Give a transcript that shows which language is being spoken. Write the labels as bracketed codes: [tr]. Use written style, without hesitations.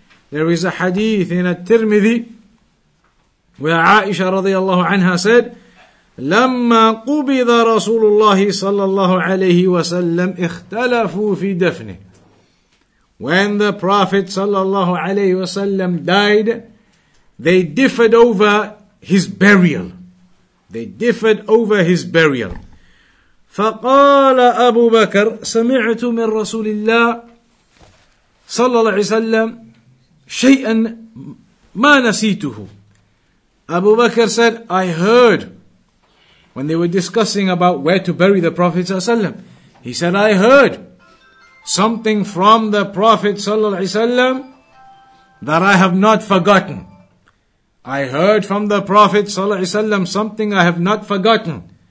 [en] There is a hadith in At-Tirmidhi where Aisha radiallahu anha said, [ar] لَمَّا قُبِضَ رَسُولُ اللَّهِ صَلَّى اللَّهُ عَلَيْهِ وَسَلَّمْ اِخْتَلَفُوا فِي دَفْنِهِ. [en] When the Prophet sallallahu alayhi wa sallam died, they differed over his burial. They differed over his burial. [ar] فقال أبو بكر سمعت من رسول الله صلى الله عليه وسلم شيئا ما نسيته. [en] Abu Bakr said, I heard, when they were discussing about where to bury the Prophet صلى الله عليه وسلم, he said, I heard something from the Prophet صلى الله عليه وسلم that I have not forgotten. I heard from the Prophet صلى الله عليه وسلم something I have not forgotten.